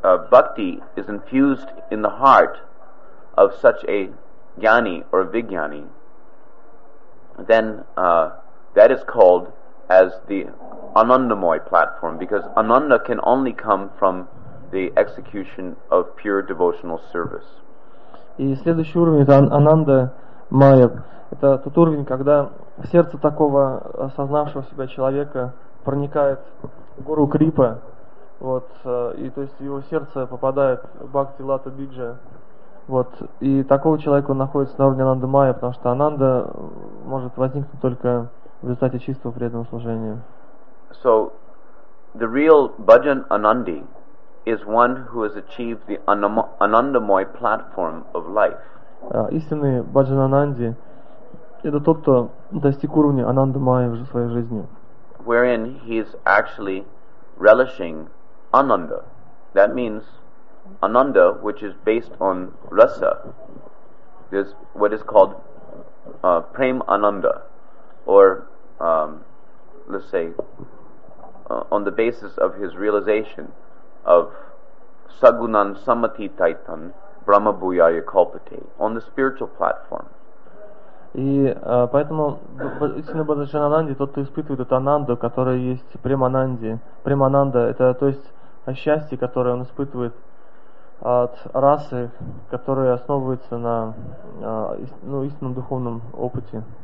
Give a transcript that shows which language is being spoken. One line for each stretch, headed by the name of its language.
English: bhakti is infused in the heart of such a jnani or vijnani, then that is called as the anandamoy platform, because ananda can only come from the execution of pure devotional service.
Russian: И следующий уровень — это ананда майя. Это тот уровень, когда в сердце такого осознавшего себя человека проникает гуру крипа, вот, и то есть в его сердце попадает бхакти лата биджа, вот, и такого человека находится на уровне ананда майя, потому что ананда может возникнуть только в результате чистого преданного служения.
English: So the real bhajan anandi is one who has achieved the anandamoy platform of life.
Russian: Истинный bhajan anandi — это тот, кто достиг уровня анандамая в своей жизни.
English: Wherein he is actually relishing ananda. That means ananda, which is based on rasa. This what is called prem ananda, or let's say on the basis of his realization of
Sanskrit: sagunan samati taitan brahma bhuyaya kalpate,
English: on the spiritual platform.
Russian: И поэтому истинный бхаджан ананди — тот, кто испытывает эту ананду, которая есть премананди. Премананда — это то есть счастье, которое он испытывает от расы, которая основывается на истинном духовном опыте.